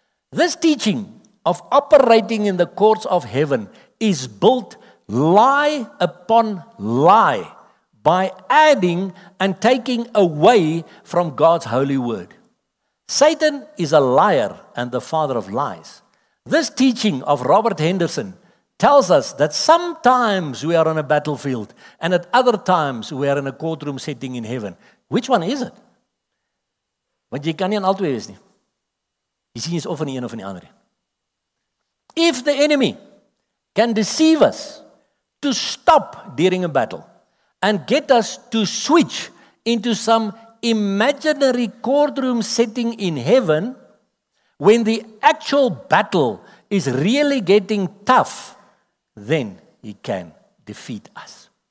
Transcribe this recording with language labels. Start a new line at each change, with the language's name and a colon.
English: This teaching of operating in the courts of heaven is built lie upon lie by adding and taking away from God's holy word. Satan is a liar and the father of lies. This teaching of Robert Henderson tells us that sometimes we are on a battlefield and at other times we are in a courtroom setting in heaven. Which one is it?
Afrikaans: Want jy kan nie aan al twee wees nie. Jy sien jy's of in die een of in die ander.
English: If the enemy can deceive us to stop during a battle and get us to switch into some imaginary courtroom setting in heaven, when the actual battle is really getting tough, then he can defeat us.